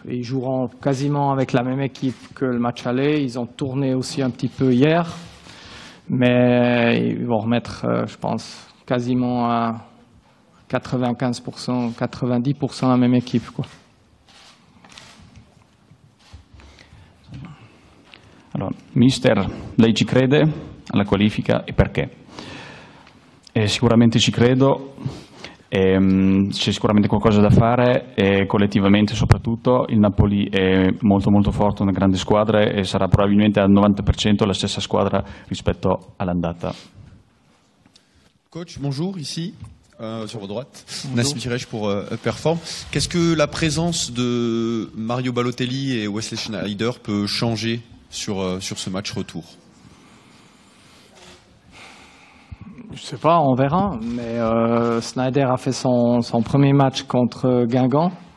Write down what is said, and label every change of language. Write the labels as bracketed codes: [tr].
[fr] Et ils joueront quasiment avec la même équipe que le match aller. Ils ont tourné aussi un petit peu hier. Mais ils vont remettre, je pense, quasiment à 95%, 90% la même équipe, quoi. [it] Alors, mister, lei ci crede alla qualifica e perché? Sicuramente ci credo. C'è sicuramente qualcosa da fare, collettivamente soprattutto. Il Napoli è molto molto forte, una grande squadra e sarà probabilmente al 90% la stessa squadra rispetto all'andata. [fr] Coach, bonjour, ici, sur votre droite. Nassim Tirej pour Perform. Qu'est-ce que la présence de Mario Balotelli et Wesley Schneider peut changer sur ce match retour? Je ne sais pas, on verra, mais Schneider a fait son premier match contre Guingamp.